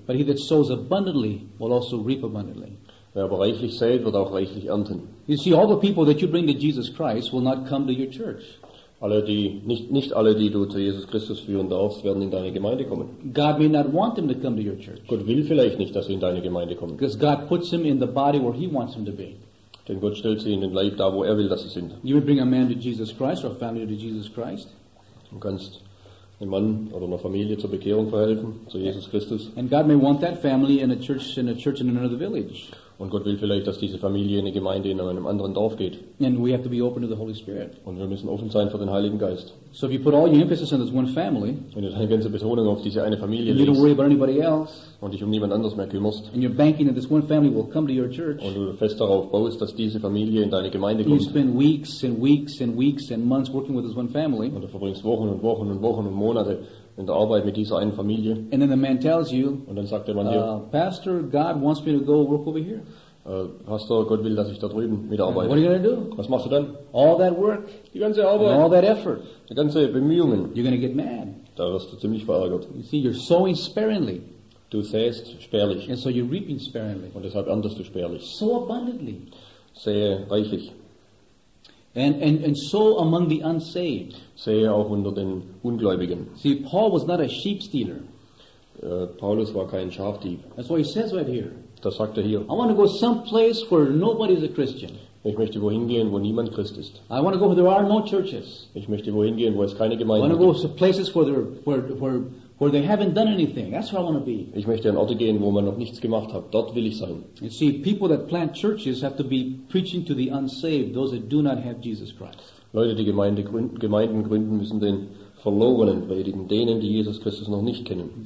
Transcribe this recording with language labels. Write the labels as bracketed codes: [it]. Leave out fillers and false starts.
[en] But he that sows abundantly will also reap abundantly. [de] Wer aber reichlich sät, wird auch reichlich ernten. [en] You see, all the people that you bring to Jesus Christ will not come to your church. [de] Alle, die, nicht alle, die du zu Jesus Christus führen darfst, werden in deine Gemeinde kommen. [en] God may not want them to come to your church. [de] Gott will vielleicht nicht, dass sie in deine Gemeinde kommen. [en] Because God puts them in the body where he wants them to be. [de] Denn Gott stellt sie in den Leib da, wo er will, dass sie sind. [en] You may bring a man to Jesus Christ or a family to Jesus Christ. [de] Du kannst einem Mann oder einer Familie zur Bekehrung verhelfen, zu Jesus Christus. [en] And God may want that family in a church in another village. [de] Und Gott will vielleicht, dass diese Familie in eine Gemeinde in einem anderen Dorf geht. [en] And we have to be open to the Holy Spirit. [de] Und wir müssen offen sein für den Heiligen Geist. [en] So if you put all your emphasis on this one family, [de] wenn du deine ganze Betonung auf diese eine Familie legst, [en] you don't worry about anybody else, [de] und dich um niemand anderes mehr kümmerst, [en] and you're banking that this one family will come to your church, [de] und du fest darauf baust, dass diese Familie in deine Gemeinde kommt, [en] you spend weeks and weeks and weeks and months working with this one family, [de] und du verbringst Wochen und Wochen und Wochen und Monate in der Arbeit mit dieser einen Familie, [en] and then the man tells you, [de] und dann sagt der Mann dir, [en] Pastor, God wants me to go work over here. [de] Pastor, Gott will, dass ich da drüben mit arbeite. [en] What are you going to do? [de] Was machst du dann? [en] All that work, [de] die ganze Arbeit, [en] all that effort, [de] die ganze Bemühungen. [en] You're going to get mad. [de] Da wirst du ziemlich verärgert. [en] You see, you're sowing sparingly. [de] Du säst spärlich. [en] And so you're reaping sparingly. [de] Und deshalb erntest du spärlich. [en] So abundantly. [de] Sähe reichlich. [en] And so among the unsaved. [de] Sähe auch unter den Ungläubigen. [en] See, Paul was not a sheep stealer. [de] Paulus war kein Schafdieb. [en] That's what he says right here. [de] Das sagt er hier. [en] I want to go someplace where nobody is a Christian. [de] Ich möchte wohin gehen, wo niemand Christ ist. [en] I want to go where there are no churches. [de] Ich möchte wohin gehen, wo es keine Gemeinde gibt. [en] I want to go to places where they haven't done anything. That's where I want to be. [de] Ich möchte an Orte gehen, wo man noch nichts gemacht hat. Dort will ich sein. [en] You see, people that plant churches have to be preaching to the unsaved, those that do not have Jesus Christ. [de] Leute, die Gemeinden gründen, müssen den Verlorenen predigen, denen, die Jesus Christus noch nicht kennen.